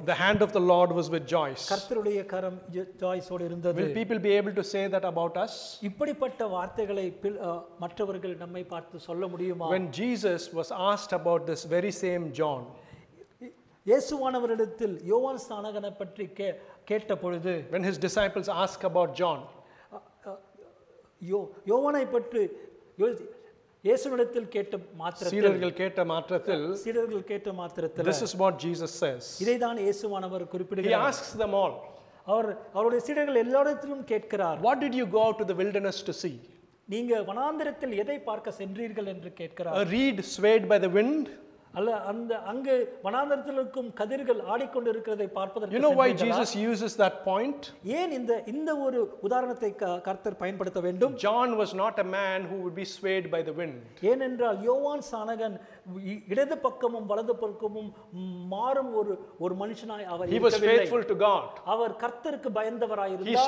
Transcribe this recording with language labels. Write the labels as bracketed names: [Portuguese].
[English] The hand of the Lord was with Joyce. [Tamil] கர்த்தருடைய கரம் ஜாய்ஸோடு இருந்தது. [English] Will people be able to say that about us? [Tamil] இப்படிப்பட்ட வார்த்தைகளை மற்றவர்கள் நம்மை பார்த்து சொல்ல முடியுமா? [English] When Jesus was asked about this very same John, [Tamil] இயேசுவானவரிடத்தில் யோவான் ஸ்நானகனை பற்றி கேட்டபொழுது, [English] when his disciples ask about John, [Tamil] யோவானை பற்றி இயேசுவினிடத்தில் கேட்ட மாத்திரத்தில் [English] this is what Jesus says. [Tamil] இதை தான் இயேசுவானவர் குறிப்பிடுகிறார். [English] He asks them all. [Tamil] அவருடைய சீடர்கள் எல்லாரிடத்திலும் கேட்கிறார், [English] What did you go out to the wilderness to see? [Tamil] நீங்க வனாந்தரத்தில் எதை பார்க்க சென்றீர்கள் என்று கேட்கிறார். [English] A reed swayed by the wind. [Tamil] அல்ல, அந்த அங்கு வனாந்தரத்தில் இருக்கும் கதிர்கள் ஆடிக்கொண்டிருக்கிறதை பார்ப்பதற்கு. [English] You know why Jesus uses that point? [Tamil] ஏன் இந்த ஒரு உதாரணத்தை கர்த்தர் பயன்படுத்த வேண்டும்? [English] John was not a man who would be swayed by the wind. [Tamil] ஏனென்றால் யோவான் ஸ்நானகன் இடது பக்கமும் வலது பக்கமும் மாறும் ஒரு மனுஷனாய் அவர் இருக்கவில்லை. [English] He was faithful to God. [Tamil] அவர் கர்த்தருக்கு பயந்தவராய் இருந்தார்.